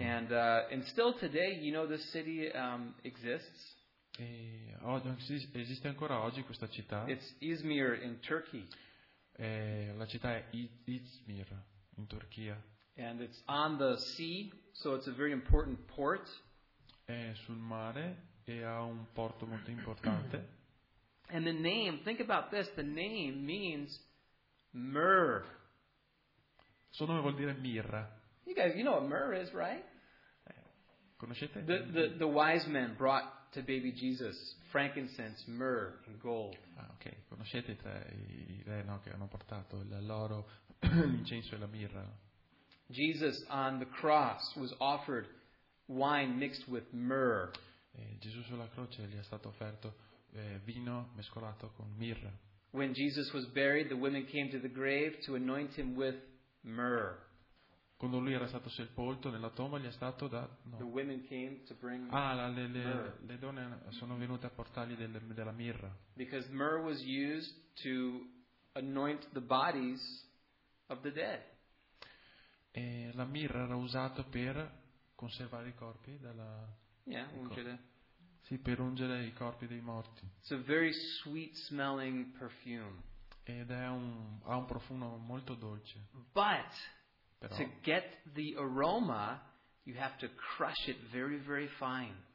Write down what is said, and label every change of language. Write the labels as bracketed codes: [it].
[en] And still today, this city exists. [it] E oggi esiste ancora oggi questa città. [en] It's Izmir in Turkey. [it] La città è Izmir in Turchia. [en] And it's on the sea, so it's a very important port. [it] È sul mare e ha un porto molto importante. [en] And the name, think about this, the name means myrrh. [it] Suo nome vuol dire mirra. [en] You guys, you know what myrrh is, right? [it] Conoscete? [en] The wise men brought to baby Jesus frankincense, myrrh, and gold. [it] Ah, ok. Conoscete i re, no, che hanno portato l'oro, l'incenso e la mirra? [en] Jesus on the cross was offered wine mixed with myrrh. [it] E Gesù sulla croce gli è stato offerto vino mescolato con mirra. [en] When Jesus was buried, the women came to the grave to anoint him with myrrh. [it] Quando lui era stato sepolto nella tomba, gli è stato dato. [en] The women came to bring myrrh. [it] Ah, le donne sono venute a portargli della mirra. [en] Because myrrh was used to anoint the bodies of the dead. [it] E la mirra era usato per conservare i corpi della. Sì, per ungere i corpi dei morti. [en] It's a very sweet smelling perfume. [it] Ed ha un profumo molto dolce. [en] But [it] però, [en] to get the aroma, you have to crush it very, very fine.